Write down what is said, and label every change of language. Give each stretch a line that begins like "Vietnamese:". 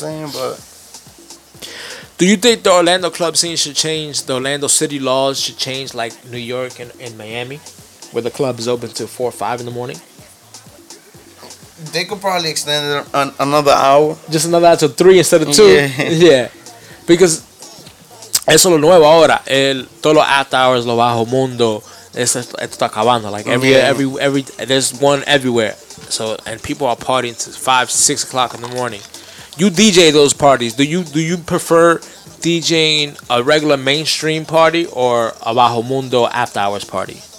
English: know what I'm saying, but. Do you think the Orlando club scene should change, the Orlando city laws should change, like New York and Miami, where the club is open till 4 or 5 in the morning? They could probably extend it another hour. Just another hour till 3 instead of 2? Yeah. Yeah. Because
Spanish: eso lo nuevo ahora, todos los after hours, lo bajo mundo, esto está acabando.
English: Like every there's one everywhere. So, and people are partying till 5, 6 o'clock in the morning. You DJ those parties. Do you prefer DJing a regular mainstream party or a Bajo Mundo after hours party?